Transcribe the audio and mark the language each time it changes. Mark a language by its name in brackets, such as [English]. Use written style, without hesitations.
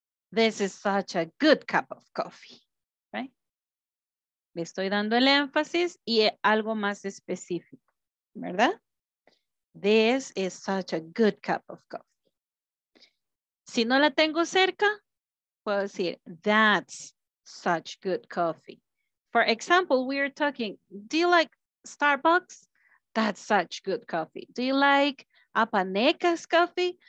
[English] This is such a good cup of coffee, right? [Spanish] Le estoy dando el énfasis y algo más específico, ¿verdad? [English] This is such a good cup of coffee. [Spanish] Si no la tengo cerca, puedo decir, [English] that's such good coffee. For example, we are talking, do you like Starbucks? That's such good coffee. Do you like Apaneca's coffee?